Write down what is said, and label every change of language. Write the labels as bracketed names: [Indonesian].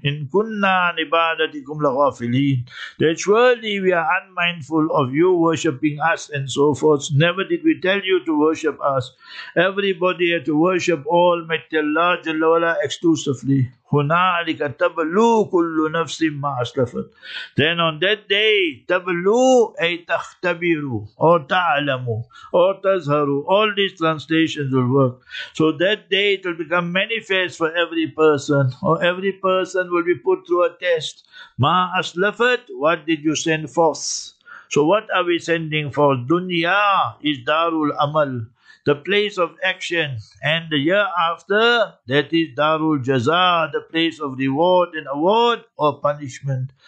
[Arabic] إِن كُنَّا عِبَادَتِكُمْ لَغَافِلِينَ. [English] That surely we are unmindful of you worshipping us and so forth. Never did we tell you to worship us. Everybody had to worship Almighty Allah Jalla Wala exclusively. [Arabic] هُنَالِكَ تَبَلُّوا كُلُّ نَفْسٍ مَا أَسْلَفَتْ. [English] Then on that day, [Arabic] تَبَلُّوا أَي تَخْتَبِرُوا أَوْ تَعْلَمُوا أَوْ تَزْهَرُوا. [English] All these translations will work. So that day it will become manifest for every person, or every person will be put through a test. [Arabic] مَا أَسْلَفَتْ. [English] What did you send forth? So what are we sending for? Dunya is Darul Amal, the place of action, and the year after, that is Darul Jaza, the place of reward and award or punishment.